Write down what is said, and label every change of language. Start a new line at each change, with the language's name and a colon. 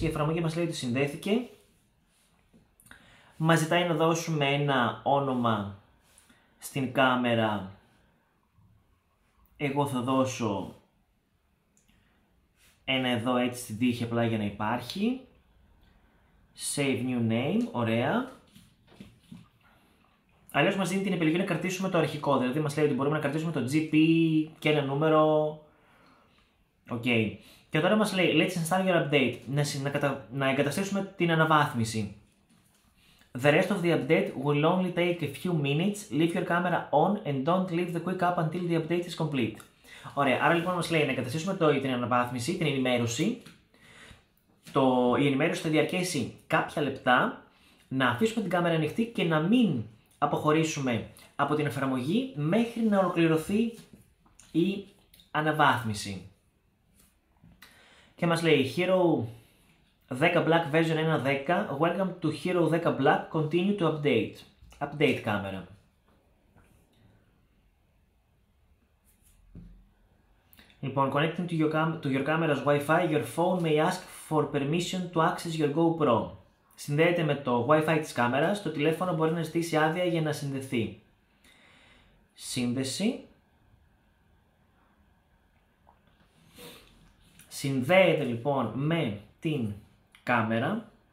Greek: Η εφαρμογή μας λέει ότι συνδέθηκε. Μας ζητάει να δώσουμε ένα όνομα στην κάμερα. Εγώ θα δώσω ένα εδώ έτσι στην τύχη απλά για να υπάρχει.
English: Save new name,
Greek: ωραία. Αλλιώς μας δίνει την επιλογή να κρατήσουμε το αρχικό, δηλαδή μας λέει ότι μπορούμε να κρατήσουμε το GP και ένα νούμερο. Okay. Και τώρα μας λέει,
English: let's install your update,
Greek: να εγκαταστήσουμε την αναβάθμιση.
English: The rest of the update will only take a few minutes, leave your camera on and don't leave the quick app until the update is complete.
Greek: Ωραία, άρα λοιπόν μας λέει να εγκαταστήσουμε την αναβάθμιση, την ενημέρωση. Η ενημέρωση θα διαρκέσει κάποια λεπτά, να αφήσουμε την κάμερα ανοιχτή και να μην αποχωρήσουμε από την εφαρμογή μέχρι να ολοκληρωθεί η αναβάθμιση. Και μας λέει Hero 10 Black version 1.10.
English: Welcome to Hero 10 Black. Continue to update. Update camera.
Greek: Λοιπόν,
English: connecting to your camera's Wi-Fi, your phone may ask for permission to access your GoPro.
Greek: Συνδέεται με το Wi-Fi της κάμερας, το τηλέφωνο μπορεί να ζητήσει άδεια για να συνδεθεί. Σύνδεση. Συνδέεται λοιπόν με την κάμερα.